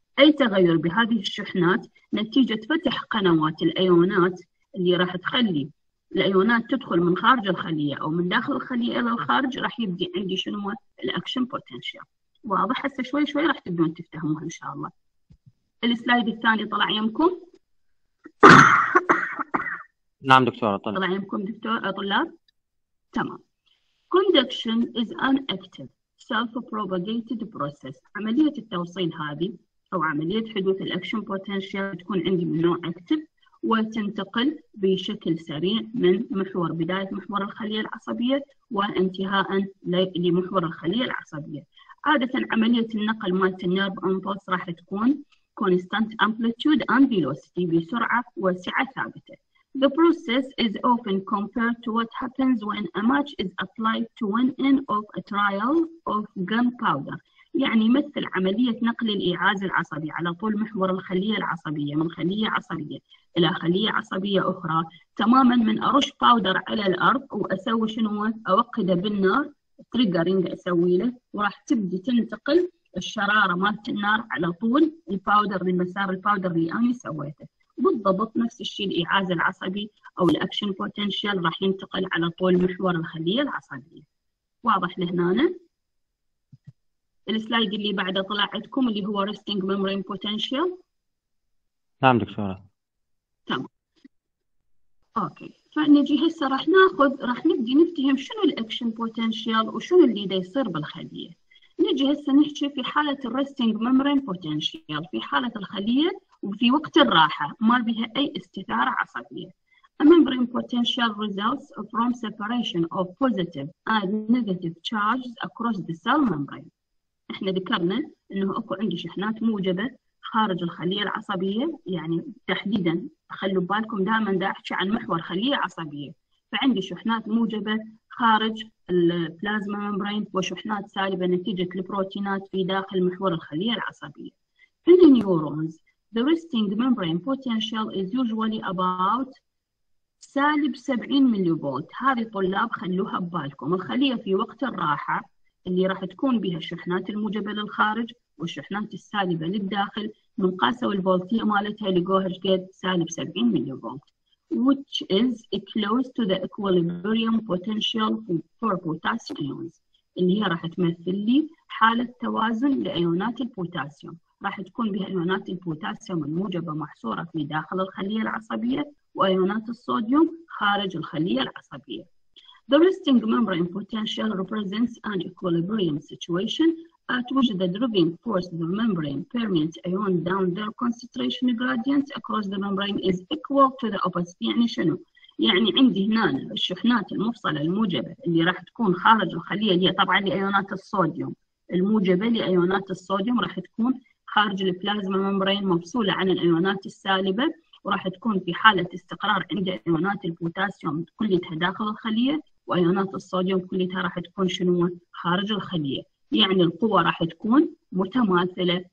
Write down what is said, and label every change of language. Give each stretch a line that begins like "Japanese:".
Arabic: أي تغير بهذه الشحنات نتيجة فتح قنوات الأيونات اللي راح تخلي الأيونات تدخل من خارج الخلية أو من داخل الخلية إلى الخارج، راح يبدي عندي شنو الأكشن بوتنشال. واضح هسه؟ شوي شوي راح تبدون تفتهموها إن شاء الله. السلايد الثاني طلع يمكم؟ نعم دكتورة طلع. طلع يمكم دكتور طلاب؟ تمام.
English: Conduction is an active self-propagated process.
Arabic: عملية التوصيل هذه أو عملية حدوث الأكشن بوتنشال تكون عندي من نوع active، وتنتقل بشكل سريع من محور بداية محور الخلية العصبية وانتهاء لمحور الخلية العصبية. عادة عملية النقل مالت النيرف امبولس راح تكون
English: constant amplitude and velocity،
Arabic: بسرعة وسعة ثابتة.
English: The process is often compared to what happens when a match is applied to one end of a trial of gunpowder.
Arabic: يعني مثل عملية نقل الإيعاز العصبي على طول محور الخلية العصبية من خلية عصبية إلى خلية عصبية أخرى، تماما من أرش باودر على الأرض وأسوي شنو؟ أوقده بالنار، تريجرينج أسوي له، وراح تبدي تنتقل الشرارة مالت النار على طول الباودر لمسار الباودر اللي أنا سويته. بالضبط نفس الشيء الإيعاز العصبي أو الأكشن بوتنشال راح ينتقل على طول محور الخلية العصبية. واضح لهنا؟ السلايد اللي بعده طلع عندكم اللي هو resting membrane potential. نعم دكتورة. تمام. اوكي، فنجي هسه راح ناخذ راح نبدي نفتهم شنو الاكشن بوتنشال وشنو اللي دا يصير بالخليه. نجي هسه نحكي في حاله الريستنج ميمبرين بوتنشال، في حاله الخليه وفي وقت الراحه ما بها اي استثاره عصبيه.
English: A membrane potential results from separation of positive and negative charges across the cell membrane.
Arabic: احنا ذكرنا انه اكو عندي شحنات موجبه خارج الخليه العصبيه، يعني تحديدا خلوا بالكم دائما دا احكي عن محور خليه عصبيه، فعندي شحنات موجبه خارج البلازما ممبرين وشحنات سالبه نتيجه البروتينات في داخل محور الخليه العصبيه. في النيورونز
English: the resting membrane potential is usually about
Arabic: سالب 70 ملي فولت. هذه طلاب خلوها ببالكم، الخليه في وقت الراحه اللي راح تكون بها الشحنات الموجبه للخارج والشحنات السالبه للداخل من قاسه والفولتيه مالتها لقوها جديد سالب 70 ملي فولت،
English: which is close to the equilibrium potential for potassium ions،
Arabic: اللي هي راح تمثل لي حاله توازن لايونات البوتاسيوم، راح تكون بها ايونات البوتاسيوم الموجبه محصوره في داخل الخليه العصبيه وايونات الصوديوم خارج الخليه العصبيه.
English: The resting membrane potential represents an equilibrium situation at which the driving force of the membrane permeates ion down their concentration gradient across the membrane is equal to the opposite.
Arabic: يعني شنو؟ يعني عندي هنا الشحنات المفصلة الموجبة اللي راح تكون خارج الخلية، اللي هي طبعا لأيونات الصوديوم، الموجبة لأيونات الصوديوم راح تكون خارج البلازما ممبرين مفصولة عن الأيونات السالبة، وراح تكون في حالة استقرار عند ايونات البوتاسيوم كلها داخل الخلية وايونات الصوديوم كلها راح تكون شنو خارج الخلية، يعني القوة راح تكون متماثلة.